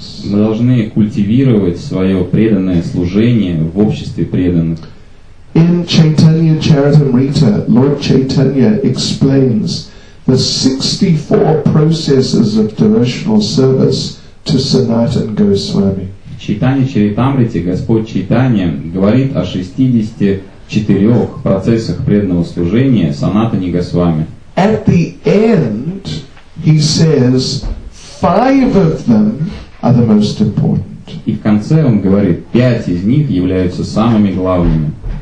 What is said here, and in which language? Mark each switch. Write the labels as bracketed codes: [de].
[ru] Мы должны культивировать свое преданное служение в обществе преданных. [en] In Chaitanya Charitamrita, Lord Chaitanya explains the 64 processes of devotional service to Sanatan Goswami. [ru] В читании Чаритамрити Господь Чайтанья говорит о 64 процессах преданного служения Санатане Госвами. [en] At the end, he says, five of them are the most important. [ru] И в конце он говорит, пять из них являются самыми главными.